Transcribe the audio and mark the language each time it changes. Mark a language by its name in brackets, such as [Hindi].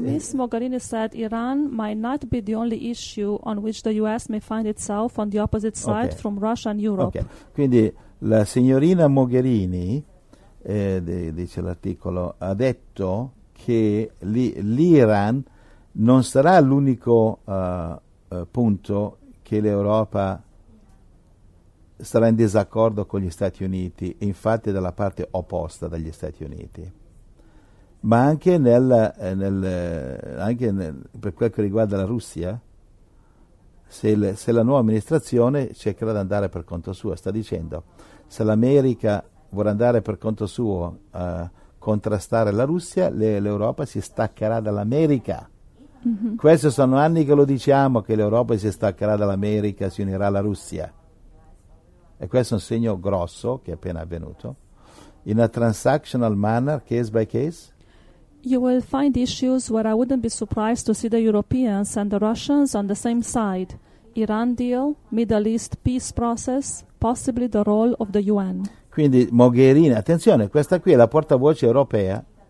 [English] Miss Mogherini said Iran might not be the only issue on which the US may find itself on the opposite side from Russia and Europe. Okay. [Italian] Quindi la signorina Mogherini, dice l'articolo, ha detto che l'Iran non sarà l'unico punto che l'Europa sarà in disaccordo con gli Stati Uniti, infatti dalla parte opposta dagli Stati Uniti, ma anche per quel che riguarda la Russia, se la nuova amministrazione cercherà di andare per conto suo, sta dicendo, se l'America vorrà andare per conto suo a contrastare la Russia, l'Europa si staccherà dall'America. Questi sono anni che lo diciamo, che l'Europa si staccherà dall'America, si unirà alla Russia. E questo è un segno grosso che è appena avvenuto. [English] In a transactional manner, case by case? You will find issues where I wouldn't be surprised to see the Europeans and the Russians on the same side. Iran deal, Middle East peace process, possibly the role of the UN. [Italian] Quindi Mogherini, attenzione, questa qui è la portavoce europea.